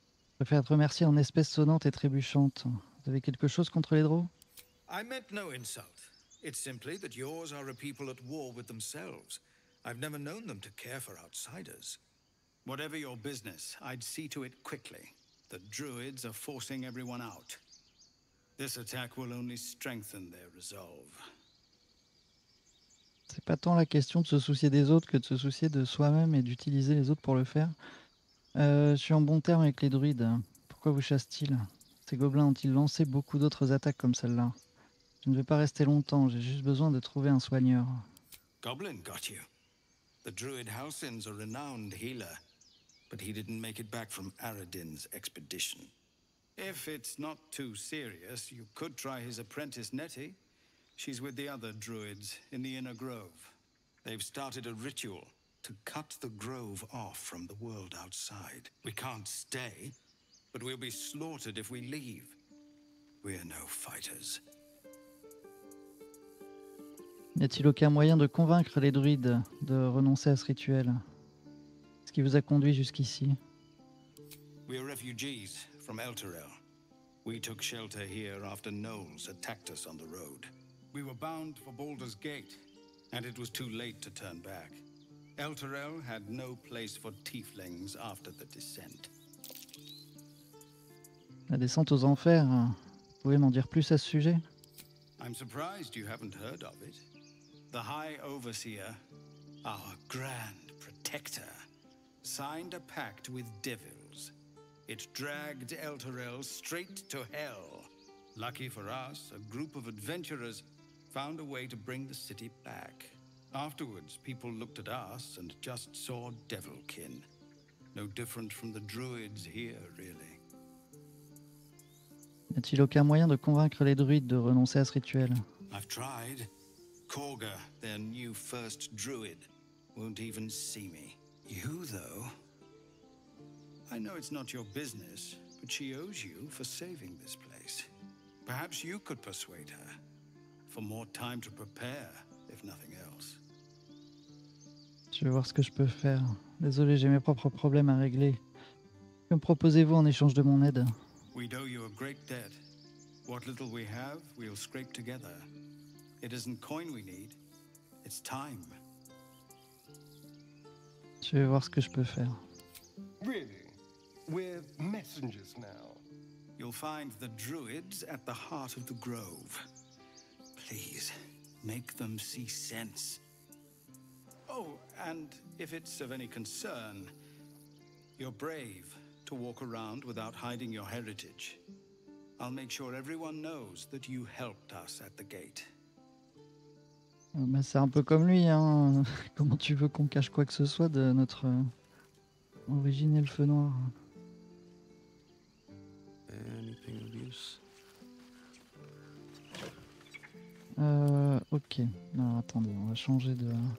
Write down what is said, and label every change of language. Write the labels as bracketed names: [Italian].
[French] Je préfère te remercier en espèces sonnantes et trébuchantes. Vous avez quelque chose contre les drows? [English] I meant no insult. It's simply that yours are a people at war with themselves. I've never known them to care for outsiders. Whatever your business, I'd see to it quickly. The druids are forcing everyone out. This attack will only strengthen their resolve. [French] C'est pas tant la question de se soucier des autres que de se soucier de soi-même et d'utiliser les autres pour le faire. Je suis en bon terme avec les druides. Pourquoi vous chassent-ils? Ces gobelins ont-ils lancé beaucoup d'autres attaques comme celle-là? Je ne vais pas rester longtemps, j'ai juste besoin de trouver un soigneur. [English] Goblin got you. The druid Halcyn's a renowned healer, but he didn't make it back from Aradin's expedition. If it's not too serious, you could try his apprentice Nettie. She's with the other druids in the inner grove. They've started a ritual to cut the grove off from the world outside. We can't stay, but we'll be slaughtered if we leave. We're no fighters. [French] N'y a-t-il aucun moyen de convaincre les druides de renoncer à ce rituel? Ce qui vous a conduit jusqu'ici? [English] We're refugees from Elturel. We took shelter here after gnolls attacked us on the road. We were bound for Baldur's Gate, and it was too late to turn back. Elturel had no place for tieflings after the descent. [French] La descente aux enfers, vous pouvez m'en dire plus à ce sujet? [English] I'm surprised you haven't heard of it. The High Overseer, our grand protector, signed a pact with devils. It dragged Elturel straight to hell. Lucky for us, a group of adventurers found a way to bring the city back. Afterwards, people looked at us and just saw Devilkin. No different from the druids here, really. [French] N'y a-t-il aucun moyen de convaincre les druides de renoncer à ce rituel? [English] I've tried. Corga, their new first druid, won't even see me. You, though. I know it's not your business, but she owes you for saving this place. Perhaps you could persuade her. For more time to prepare, if nothing else. [French] Je vais voir ce que je peux faire. Désolé, j'ai mes propres problèmes à régler. Que me proposez-vous en échange de mon aide? [English] We owe you a great debt. What little we have, we'll scrape together. It isn't coin we need, it's time. [French] Je vais voir ce que je peux faire. [English] Really? We're messengers now. You'll find the druids at the heart of the grove. Please, make them see sense. Oh, and if it's of any concern, you're brave, to walk around without hiding your heritage. I'll make sure everyone knows that you helped us at the gate. [French] Bah, c'est un peu comme lui, hein. Comment tu veux qu'on cache quoi que ce soit de notre origine elfe noir? [English] Anything of use? [French] Ok. Non, attendez, on va changer de.